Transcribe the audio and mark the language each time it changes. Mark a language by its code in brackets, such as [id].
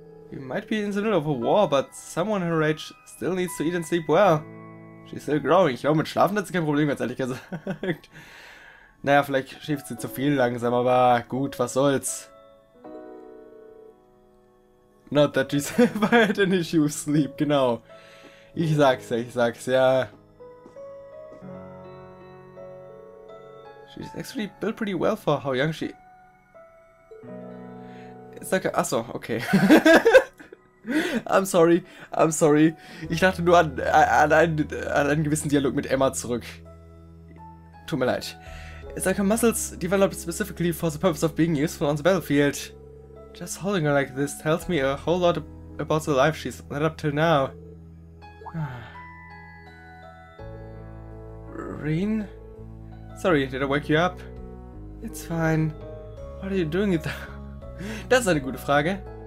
[en] We might be in the middle of a war, but someone her age still needs to eat and sleep well. She's still growing. [de] Ich glaube, mit Schlafen hat sie kein Problem, ganz ehrlich gesagt. Naja, vielleicht schläft sie zu viel langsam, aber gut, was soll's. [en] Not that she's ever had an issue with sleep, [de] genau. Ich sag's ja. [en] She's actually built pretty well for how young she... It's like a... Achso, okay. I'm sorry. [de] Ich dachte nur an einen gewissen Dialog mit Emma zurück. Tut mir leid. [en] It's like her muscles developed specifically for the purpose of being useful on the battlefield. Just holding her like this tells me a whole lot about the life she's led up till now. Rin? Sorry, did I wake you up? It's fine. What are you doing it though? [de] Das ist eine gute Frage.